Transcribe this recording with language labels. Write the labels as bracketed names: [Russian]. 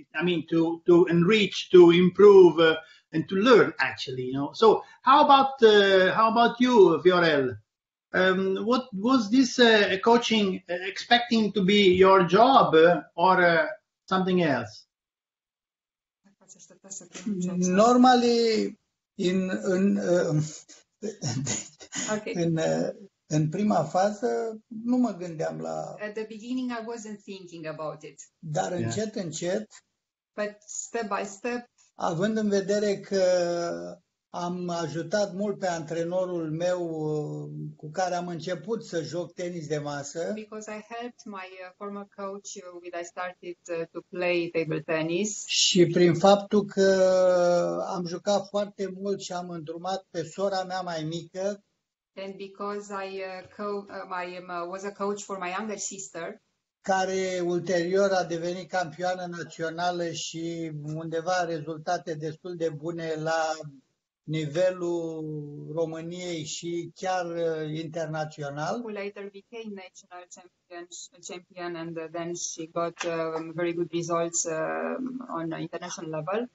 [English] I mean, to enrich, to improve, and to learn, actually, you know. So how about you, Viorel? What was this coaching expecting to be your job or something else? Normally, [Romanian] in prima fază, nu mă gândeam la... [English] At the beginning, I wasn't thinking about it. [Romanian] Dar încet, încet... [English] But step by step... [Romanian] Având în vedere că am ajutat mult pe antrenorul meu cu care am început să joc tenis de masă. [English] Because I helped my former coach when I started to play table tennis. [Romanian] Și prin faptul că am jucat foarte mult și am îndrumat pe sora mea mai mică. [English] And because I was a coach for my younger sister. [Romanian] Care ulterior a devenit campioană națională și undeva rezultate destul de bune la nivelul României și chiar internațional. [English] Who later became national champion and then she got very good results on international level.